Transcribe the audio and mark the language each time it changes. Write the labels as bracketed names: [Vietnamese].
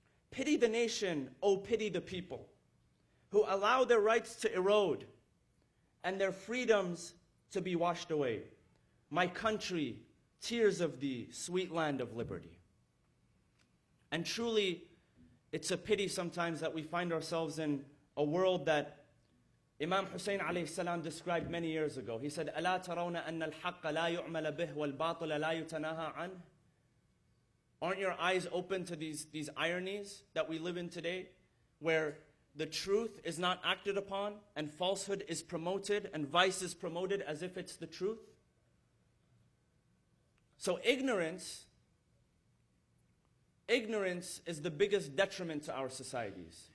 [English] Pity the nation, oh pity the people, who allow their rights to erode and their freedoms to be washed away. My country, tears of thee, sweet land of liberty. And truly, it's a pity sometimes that we find ourselves in a world that Imam Hussein alayhi salam described many years ago. He said, [Arabic] أَلَا تَرَوْنَ أَنَّ الْحَقَّ لَا يُعْمَلَ بِهِ وَالْبَاطِلَ لَا يُتَنَاهَا عَنْهِ. [English] Aren't your eyes open to these ironies that we live in today, where the truth is not acted upon and falsehood is promoted and vice is promoted as if it's the truth? So ignorance is the biggest detriment to our societies.